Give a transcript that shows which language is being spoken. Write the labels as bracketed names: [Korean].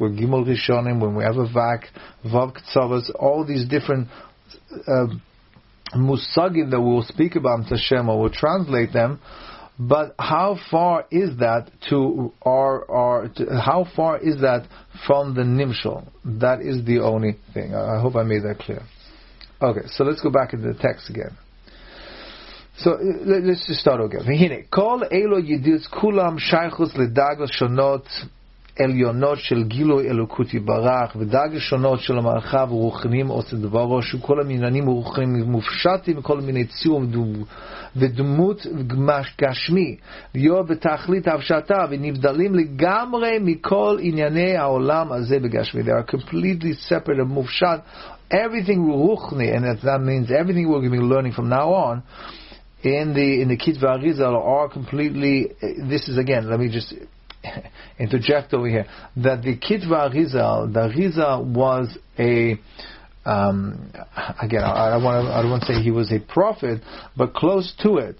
[English] We're gimel rishonim when we have a vak, vav ktsavas, all these different Musagim that we'll speak about in Hashem, or we'll translate them, but how far is that to our how far is that from the Nimshal? That is the only thing. I hope I made that clear. Okay, so let's go back into the text again. So let's just start again. [Hebrew] Vehine, kol elo yidiz kulam shaychus ledagos shonot עליונות של גילו אלוקות יברך ודאג שונות של המרחב רוחנים עושה דברו שכל המיננים רוחנים מופשטים כל מיני ציום ודמות גשמי ויהיו בתכלית הפשטה ונבדלים לגמרי מכל ענייני העולם הזה בגשמי. [English] They are completely separate and מופשט. Everything רוחני, and that means everything we're going to be learning from now on in the Kitva Arizal are completely, this is again, let me just interject over here, that the Kitva Arizal, the Arizal was a I don't want to say he was a prophet, but close to it.